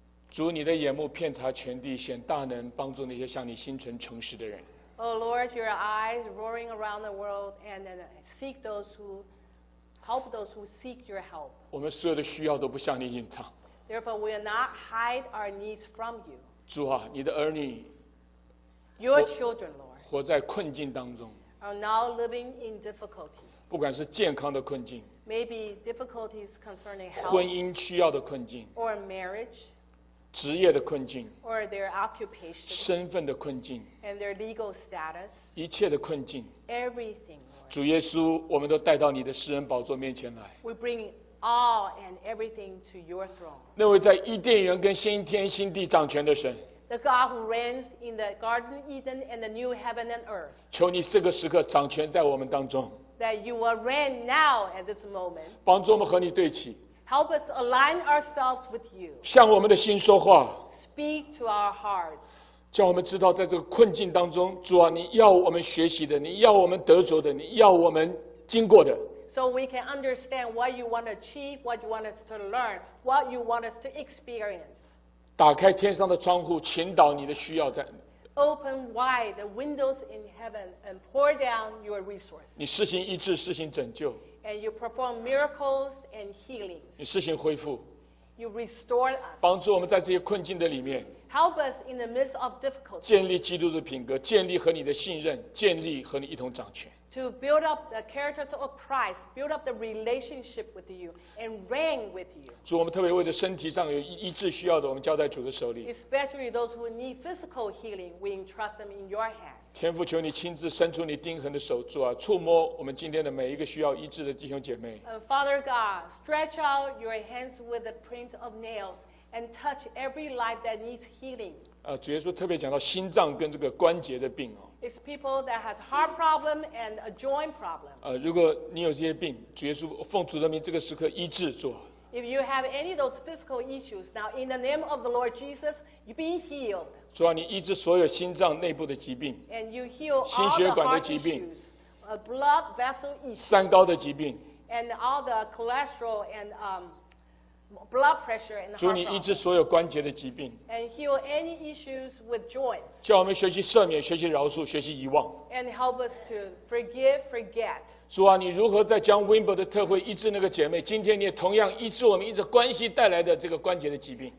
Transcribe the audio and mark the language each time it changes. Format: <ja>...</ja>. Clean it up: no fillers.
<zh>主你的眼目遍察全地显大能帮助那些向你心存诚实的人</zh> <en>Oh Lord your eyes roaring around the world and seek those who help those who seek your help</en> <zh>我们所有的需要都不向你隐藏</zh> <en>Therefore we will not hide our needs from you</en> <zh>主啊你的儿女</zh> <en>Your children Lord</en> <zh>活在困境当中</zh> <en>are now living in difficulty.</en> <zh>不管是健康的困境</zh> <en>maybe difficulties concerning health,</en> <zh>婚姻需要的困境</zh> <en>or marriage,</en> <zh>职业的困境</zh> <en>or their occupation,</en> <zh>身份的困境</zh> <en>and their legal status,</en> <zh>一切的困境</zh> <en>everything,</en> <zh>主耶稣我们都带到你的施恩宝座面前来</zh> <en>we bring all and everything to your throne.</en> <zh>那位在伊甸园跟新天新地掌权的神</zh> <en>The God who reigns in the Garden Eden and the new heaven and earth.</en> <zh>求你这个时刻掌权在我们当中。</zh> <en>That you will reign now at this moment.</en> <zh>帮助我们和你对齐。</zh> <en>Help us align ourselves with you.</en> <zh>向我们的心说话。</zh> <en>Speak to our hearts.</en> <zh>叫我们知道在这个困境当中，主啊，你要我们学习的，你要我们得着的，你要我们经过的。</zh> <en>So we can understand what you want to achieve, what you want us to learn, what you want us to experience.</en> <zh>打开天上的窗户，倾倒你的需要在。</zh> <en>Open wide the windows in heaven and pour down your resources.</en> <zh>你施行医治，施行拯救。</zh> <en>And you perform miracles and healings.</en> <zh>你施行恢复。</zh> <en>You restore us.</en> <zh>帮助我们在这些困境的里面。</zh> <en>Help us in the midst of difficulties.</en> <zh>建立基督的品格，建立和你的信任，建立和你一同掌权。</zh> <en>To build up the character of Christ, build up the relationship with you, and reign with you.</en> <zh>主，我们特别为着身体上有医治需要的，我们交在主的手里。</zh> <en>Especially those who need physical healing, we entrust them in your hands.</en> <zh>天父，求你亲自伸出你钉痕的手，主啊，触摸我们今天的每一个需要医治的弟兄姐妹。</zh> <en>Father God, stretch out your hands with the print of nails and touch every life that needs healing.</en> <zh>主耶稣特别讲到心脏跟这个关节的病哦。</zh> <en>It's people that have heart problem and a joint problem.</en> <zh>如果你有这些病，主耶稣奉主的名，这个时刻医治主。</zh> <en>If you have any of those physical issues, now in the name of the Lord Jesus, you be healed.</en> <zh>主啊，你医治所有心脏内部的疾病。</zh> <en>And you heal all the heart issues.</en> <zh>心血管的疾病。</zh> <en>A blood vessel issues.</en> <zh>三高的疾病。</zh> <en>And all the cholesterol and blood pressure and heart.</en> <zh>主，你医治所有关节的疾病。</zh> <en>And heal any issues with joints.</en> <zh>叫我们学习赦免，学习饶恕，学习遗忘。</zh> <en>And help us to forgive, forget.</en> <zh>主啊，你如何在将 Wimber 的特会医治那个姐妹？今天你也同样医治我们因着关系带来的这个关节的疾病。</zh>